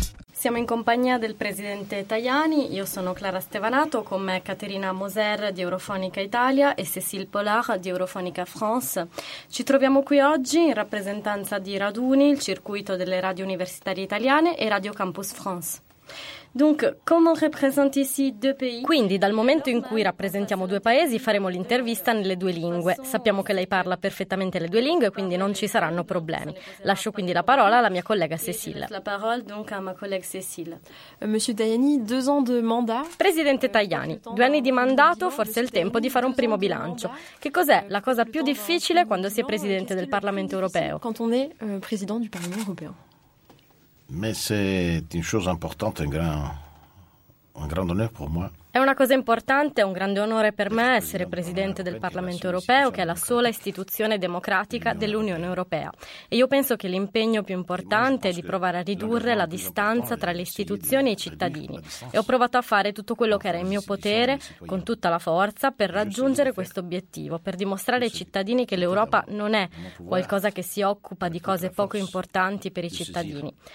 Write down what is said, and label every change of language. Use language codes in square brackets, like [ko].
[it] Siamo in compagnia del presidente Tajani, io sono Clara Stevanato, con me Caterina Moser di Eurofonica Italia e Cécile Pollard di Eurofonica France. Ci troviamo qui oggi in rappresentanza di Raduni, il circuito delle radio universitarie italiane, e Radio Campus France. [fr] Donc, comment représente ici deux pays? [it] Quindi, dal momento in cui rappresentiamo due paesi, faremo l'intervista nelle due lingue. Sappiamo che lei parla perfettamente le due lingue, quindi non ci saranno problemi. Lascio quindi la parola alla mia collega Cécile. La parola [fr] donc à ma collègue Cécile. Monsieur Tajani, deux ans de mandat. [it] Presidente Tajani, due anni di mandato, forse è il tempo di fare un primo bilancio. Che cos'è la cosa più difficile quando si è presidente del Parlamento europeo? [fr] Quand on est président du Parlement européen. Mais c'est une chose importante, un grand honneur pour moi. [it] È una cosa importante, è un grande onore per me essere presidente del Parlamento europeo, che è la sola istituzione democratica dell'Unione europea. E io penso che l'impegno più importante è di provare a ridurre la distanza tra le istituzioni e i cittadini. E ho provato a fare tutto quello che era in mio potere, con tutta la forza, per raggiungere questo obiettivo, per dimostrare ai cittadini che l'Europa non è qualcosa che si occupa di cose poco importanti per i cittadini.